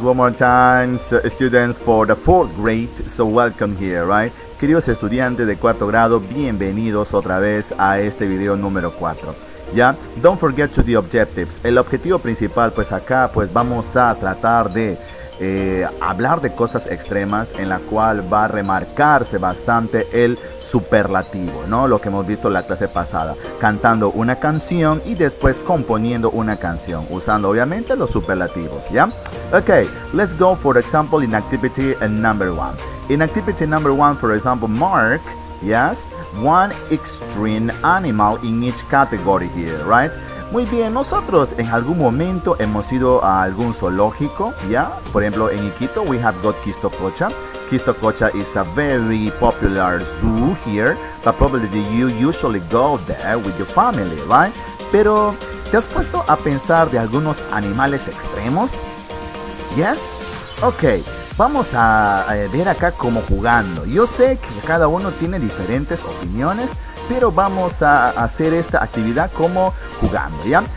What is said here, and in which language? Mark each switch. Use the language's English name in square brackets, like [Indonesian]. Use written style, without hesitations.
[English] One more time, students for the fourth grade. So welcome here, right? [Spanish] Queridos estudiantes de cuarto grado, bienvenidos otra vez a este video número 4. ¿Ya? [English] Don't forget to the objectives. [Spanish] El objetivo principal, pues acá, pues vamos a tratar de hablar de cosas extremas en la cual va a remarcarse bastante el superlativo, ¿no? Lo que hemos visto en la clase pasada, cantando una canción y después componiendo una canción, usando obviamente los superlativos, ¿ya? [English] Ok, let's go for example in activity number one. In activity number one, for example, mark, yes, one extreme animal in each category here, right? [Spanish] Muy bien, nosotros en algún momento hemos ido a algún zoológico, ¿ya? Por ejemplo, en Iquito, [English] we have got [Spanish] Quistococha. [English] Quistococha is a very popular zoo here, but probably you usually go there with your family, right? [Spanish] Pero, ¿te has puesto a pensar de algunos animales extremos? Yes? Okay. Vamos a ver acá como jugando. Yo sé que cada uno tiene diferentes opiniones, pero vamos a hacer esta actividad como jugando, ¿ya?